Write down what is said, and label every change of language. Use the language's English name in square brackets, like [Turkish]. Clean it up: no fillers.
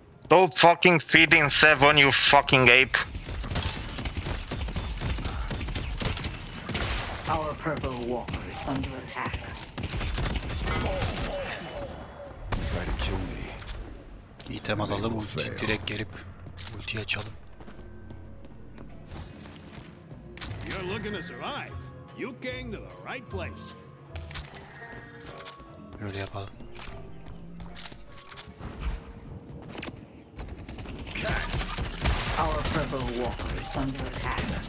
[English] Don't fucking feed in seven, you fucking ape. Our purple walker is under attack. [Turkish] İtem alalım, ulti direkt gelip ulti açalım. [English] You're looking to survive. You came to the right place. [Turkish] Öyle yapalım. [English] Our purple walker is under attack.